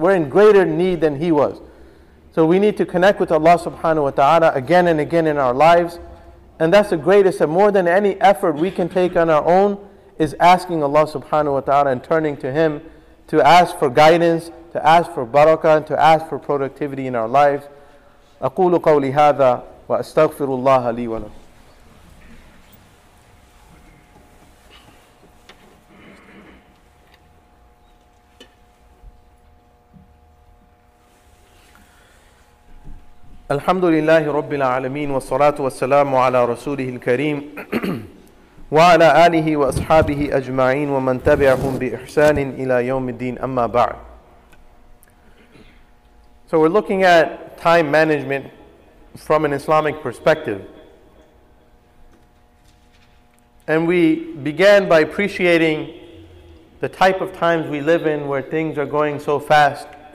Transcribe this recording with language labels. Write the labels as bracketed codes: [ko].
[en] We're in greater need than he was. So we need to connect with Allah subhanahu wa ta'ala again and again in our lives. And that's the greatest, and more than any effort we can take on our own, is asking Allah subhanahu wa ta'ala and turning to Him to ask for guidance, to ask for barakah, and to ask for productivity in our lives. [ar] أقول قولي هذا وأستغفر الله لي ولكم. الحمد لله رب العالمين والصلاة والسلام على رسوله الكريم وعلى آله وأصحابه أجمعين ومن تبعهم بإحسان إلى يوم الدين أما بعد. [en] So we're looking at time management from an Islamic perspective. And we began by appreciating the type of times we live in where things are going so fast.